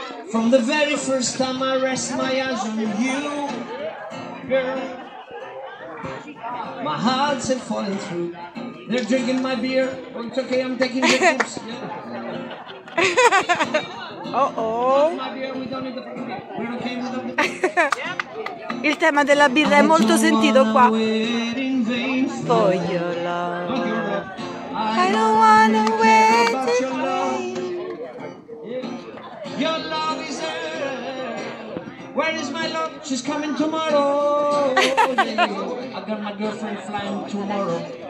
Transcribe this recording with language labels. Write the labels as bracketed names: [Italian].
[English] From the very first time I rest my eyes on you, girl, my heart's had fallen through. They're drinking my beer. Well, it's okay, I'm taking the tips. Yeah. Uh-oh. We're okay with the [Italian] Il tema della birra è molto sentito qua. [English] For your love. I don't wanna wait in vain. Your love is there. Where is my love? She's coming tomorrow. I got my girlfriend flying tomorrow.